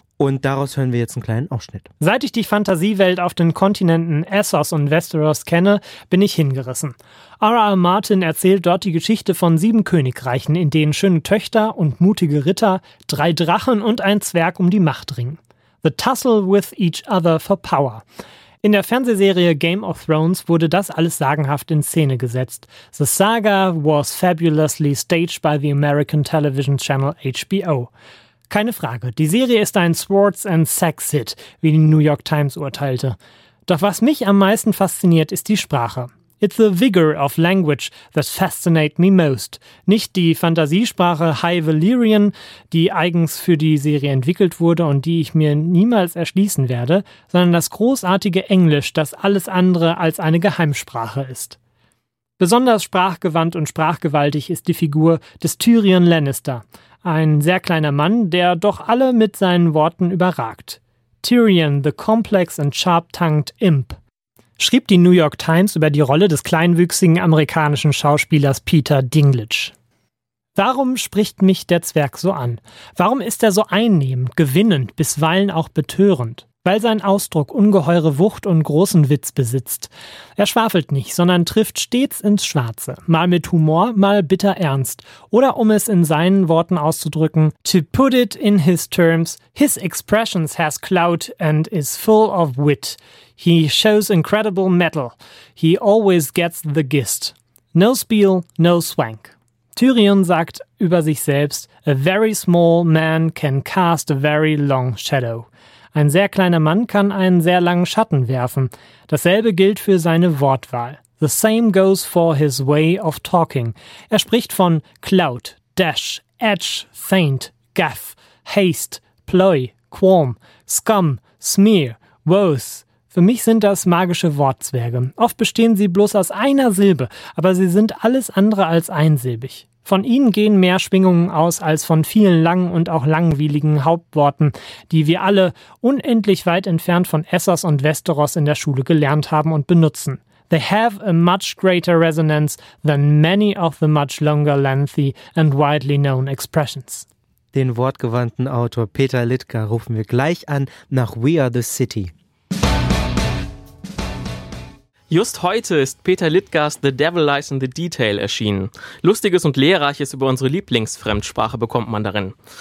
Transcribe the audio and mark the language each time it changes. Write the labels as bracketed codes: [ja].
[de] Und daraus hören wir jetzt einen kleinen Ausschnitt. Seit ich die Fantasiewelt auf den Kontinenten Essos und Westeros kenne, bin ich hingerissen. R.R. Martin erzählt dort die Geschichte von 7 Königreichen, in denen schöne Töchter und mutige Ritter, 3 Drachen und ein Zwerg um die Macht ringen. [en] The tussle with each other for power. [de] In der Fernsehserie Game of Thrones wurde das alles sagenhaft in Szene gesetzt. [en] The saga was fabulously staged by the American television channel HBO. [de] Keine Frage, die Serie ist ein Swords and Sex Hit, wie die New York Times urteilte. Doch was mich am meisten fasziniert, ist die Sprache. [en] It's the vigor of language that fascinates me most. [de] Nicht die Fantasiesprache High Valyrian, die eigens für die Serie entwickelt wurde und die ich mir niemals erschließen werde, sondern das großartige Englisch, das alles andere als eine Geheimsprache ist. Besonders sprachgewandt und sprachgewaltig ist die Figur des Tyrion Lannister. Ein sehr kleiner Mann, der doch alle mit seinen Worten überragt. Tyrion, [en] the complex and sharp-tongued imp, [de] schrieb die New York Times über die Rolle des kleinwüchsigen amerikanischen Schauspielers Peter Dinklage. Warum spricht mich der Zwerg so an? Warum ist er so einnehmend, gewinnend, bisweilen auch betörend? Weil sein Ausdruck ungeheure Wucht und großen Witz besitzt. Er schwafelt nicht, sondern trifft stets ins Schwarze. Mal mit Humor, mal bitter ernst. Oder um es in seinen Worten auszudrücken, [en] to put it in his terms, his expressions has clout and is full of wit. He shows incredible mettle. He always gets the gist. No spiel, no swank. [de] Tyrion sagt über sich selbst, [en] a very small man can cast a very long shadow. [de] Ein sehr kleiner Mann kann einen sehr langen Schatten werfen. Dasselbe gilt für seine Wortwahl. [en] The same goes for his way of talking. [de] Er spricht von [en] clout, dash, edge, feint, gaff, haste, ploy, qualm, scum, smear, woes. [de] Für mich sind das magische Wortzwerge. Oft bestehen sie bloß aus einer Silbe, aber sie sind alles andere als einsilbig. Von ihnen gehen mehr Schwingungen aus als von vielen langen und auch langwieligen Hauptworten, die wir alle unendlich weit entfernt von Essos und Westeros in der Schule gelernt haben und benutzen. [en] They have a much greater resonance than many of the much longer, lengthy and widely known expressions. [de] Den wortgewandten Autor Peter Littke rufen wir gleich an nach We Are the City. Just heute ist Peter Littkes The Devil Lies in the Detail erschienen. Lustiges und Lehrreiches über unsere Lieblingsfremdsprache bekommt man darin.